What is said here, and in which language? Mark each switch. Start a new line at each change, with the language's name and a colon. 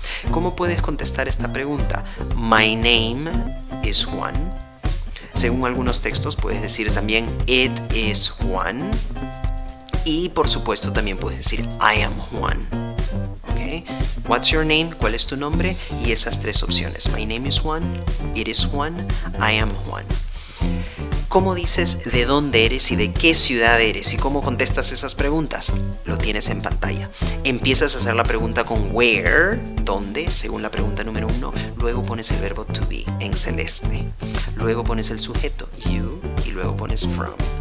Spanish: ¿Cómo puedes contestar esta pregunta?
English: My name is Juan.
Spanish: Según algunos textos, puedes decir también
English: It is Juan.
Spanish: Y, por supuesto, también puedes decir
English: I am Juan.
Spanish: ¿Okay?
English: What's your name?
Spanish: ¿Cuál es tu nombre? Y esas tres opciones.
English: My name is Juan, It is Juan, I am Juan.
Spanish: ¿Cómo dices de dónde eres y de qué ciudad eres y cómo contestas esas preguntas? Lo tienes en pantalla. Empiezas a hacer la pregunta con where, dónde, según la pregunta número uno. Luego pones el verbo to be en celeste. Luego pones el sujeto, you, y luego pones from.